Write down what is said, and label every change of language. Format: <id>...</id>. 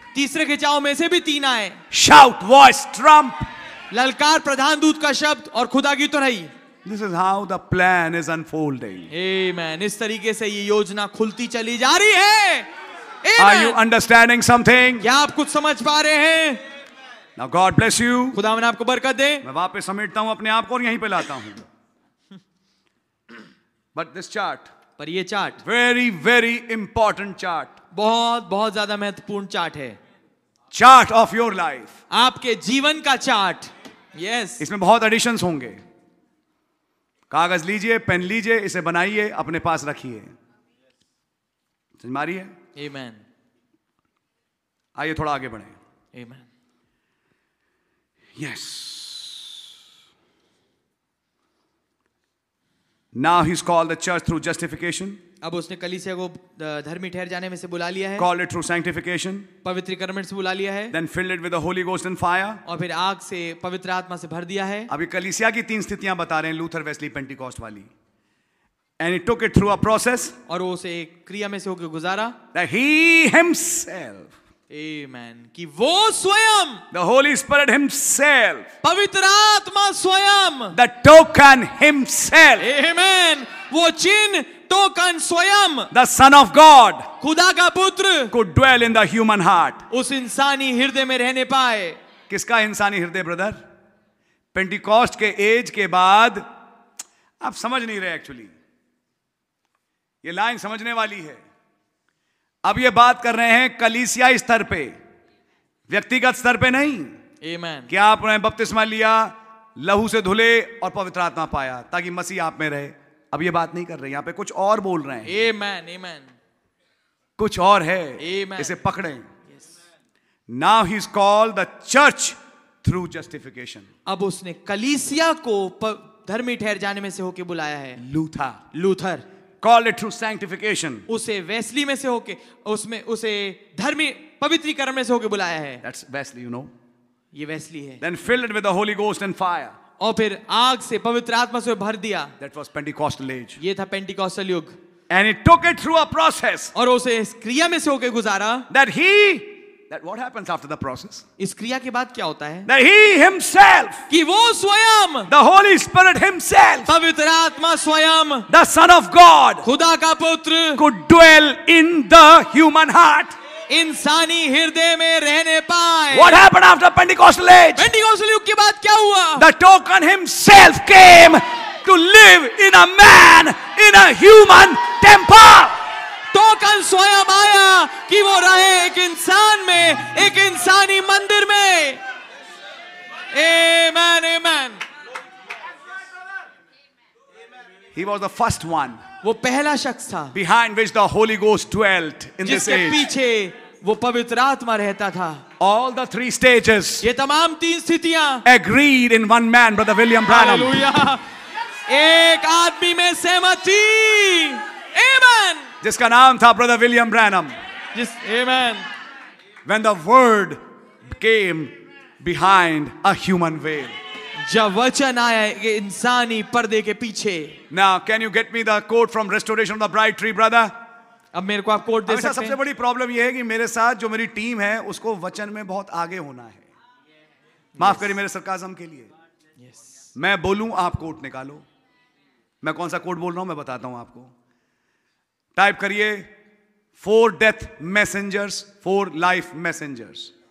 <hi>तीसरे खिंचाओ में से भी तीन आए.</hi> <en>Shout, voice, trump.</en> <hi>ललकार, प्रधान दूत का शब्द और खुदा की तुरही.</hi> <en>This is how the plan is unfolding. Amen.</en> <hi>इस तरीके से ये योजना खुलती चली जा रही है.</hi> <en>Amen. Are you understanding something?</en> <hi>क्या आप कुछ समझ पा रहे हैं?</hi> <en>Now God bless you.</en> <hi>खुदा मैंने आपको बरकत दे. मैं वापस समेटता हूँ अपने आप को और यहीं पे लाता हूँ.</hi> <en>But this chart.</en> <hi>पर ये chart</hi> <en>Very very important chart.</en> <hi>बहुत बहुत ज्यादा महत्वपूर्ण चार्ट है.</hi> <en>Chart of your life.</en> <hi>आपके जीवन का चार्ट. यस. इसमें बहुत एडिशंस होंगे. कागज लीजिए, पेन लीजिए, इसे बनाइए, अपने पास रखिए. समझ मारी है?</hi> <en>Amen. आइए थोड़ा आगे बढ़े. Amen. Yes. Now he's called the church through justification.</en> <hi>अब उसने कलीसिया को धर्मी ठहर जाने में से बुला लिया है.</hi> <en>Called it through sanctification.</en> <hi>पवित्रीकरण से बुला लिया है.</hi> <en>Then filled it with the Holy Ghost and fire.</en> <hi>और फिर आग से पवित्र आत्मा से भर दिया है. अभी कलीसिया की तीन स्थितियां बता रहे हैं लूथर वेस्ली पेंटिकॉस्ट वाली.</hi> <en>And he took it through a process.</en> <hi>और वो उसे एक क्रिया में से होकर गुजारा.</hi> <en>That he himself.</en> <hi>Amen. कि वो स्वयं.</hi> <en>The Holy Spirit himself.</en> <hi>पवित्र आत्मा स्वयं.</hi> <en>The token himself.</en> <hi>Amen. वो चिन्ह टोकन स्वयं.</hi> <en>The Son of God.</en> <hi>खुदा का पुत्र.</hi> <en>Could dwell in the human heart.</en> <hi>उस इंसानी हृदय में रहने पाए. किसका इंसानी हृदय ब्रदर? पेंटिकॉस्ट के एज के बाद आप समझ नहीं रहे एक्चुअली. ये लाइन समझने वाली है. अब ये बात कर रहे हैं कलीसियाई स्तर पे, व्यक्तिगत स्तर पे नहीं.</hi> <en>Amen.</en> <hi>कि आपने बपतिस्मा लिया, लहू से धुले और पवित्र आत्मा पाया ताकि मसीह आप में रहे. अब ये बात नहीं कर रहे, यहां पे कुछ और बोल रहे हैं.</hi> <en>Amen, amen.</en> <hi>कुछ और है.</hi> <en>Amen.</en> <hi>इसे पकड़े.</hi> <en>Now he is called the church through justification.</en> <hi>अब उसने कलीसिया को धर्मी ठहर जाने में से होके बुलाया है.</hi> <en>Luther Call it through sanctification.</en> <hi>उसे वेस्ली में से होके उसमें उसे धर्मी पवित्रीकरण में से होके बुलाया है.</hi> <en>That's Wesley, you know.</en> <hi>ये वेस्ली है.</hi> <en>Then filled it with the Holy Ghost and fire.</en> <hi>और फिर आग से पवित्र आत्मा से भर दिया.</hi> <en>That was Pentecostal age.</en> <hi>ये था पेंटिकॉस्टल युग.</hi> <en>And he took it through a process.</en> <hi>और उसे इस क्रिया में से होके गुजारा.</hi> <en>That what happens after the process?</en> <hi>इस क्रिया के बाद क्या होता है?</hi> <en>That he himself.</en> <hi>कि वो स्वयं.</hi> <en>The Holy Spirit himself.</en> <hi>पवित्र आत्मा स्वयं.</hi> <en>The Son of God.</en> <hi>खुदा का पुत्र.</hi> <en>Could dwell in the human heart.</en> <hi>इंसानी हृदय में रहने पाए.</hi> <en>What happened after Pentecostal age?</en> <hi>Pentecostal युग के बाद क्या हुआ?</hi> <en>The token himself came to live in a man in a human temple.</en> <hi>तो कल स्वयं आया कि वो रहे एक इंसान में, एक इंसानी मंदिर में.</hi> <en>Amen, amen. He was the first one.</en> <hi>वो पहला शख्स था.</hi> <en>Behind which the Holy Ghost dwelt in this age.</en> <hi>जिसके पीछे वो पवित्र आत्मा रहता था.</hi> <en>All the three stages.</en> <hi>ये तमाम तीन स्थितियाँ.</hi> <en>Agreed in one man, Brother William Branham.</en> <hi>Hallelujah. एक आदमी में सहमति. Amen. जिसका नाम था Brother William Branham.</hi> <en>Yes. Amen. When the Word came. Behind a human veil.</en> <hi>जब वचन आया इंसानी पर्दे के पीछे.</hi> <en>Now, can you get me the quote from Restoration of the Bride Tree, brother?</en> <hi>अब मेरे को आप कोट दे सकते हैं? सबसे बड़ी प्रॉब्लम ये है कि मेरे साथ जो मेरी टीम है उसको वचन में बहुत आगे होना है. माफ करिए मेरे सरकाजम के लिए.</hi> <en>Yes.</en> <hi>मैं बोलूं आप कोट निकालो. मैं कौन सा कोट बोल रहा हूं मैं बताता हूं आपको. टाइप करिए</hi> <en>For death messengers for life messengers.</en>